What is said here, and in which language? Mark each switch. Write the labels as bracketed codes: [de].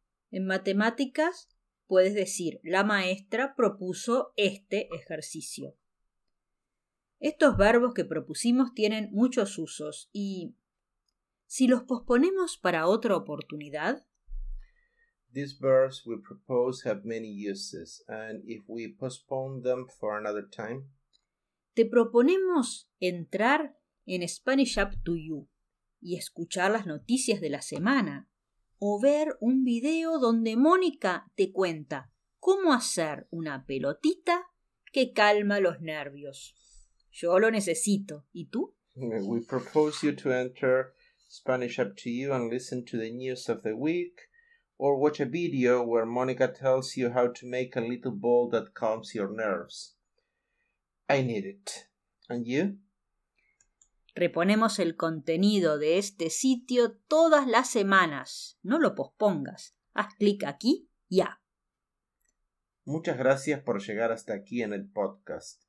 [es] En matemáticas, puedes decir, la maestra propuso este ejercicio. Estos verbos que propusimos tienen muchos usos y si los posponemos para otra oportunidad. [en] These verbs we propose have many uses, and if we postpone them for another time. [es] Te proponemos entrar en Spanish Up to You y escuchar las noticias de la semana o ver un video donde Mónica te cuenta cómo hacer una pelotita que calma los nervios. Yo lo necesito. ¿Y tú? [en] We propose you to enter Spanish Up to You and listen to the news of the week or watch a video where Mónica tells you how to make a little ball that calms your nerves. I need it. And you? [es] Reponemos el contenido de este sitio todas las semanas. No lo pospongas. Haz clic aquí ya. Muchas gracias por llegar hasta aquí en el podcast.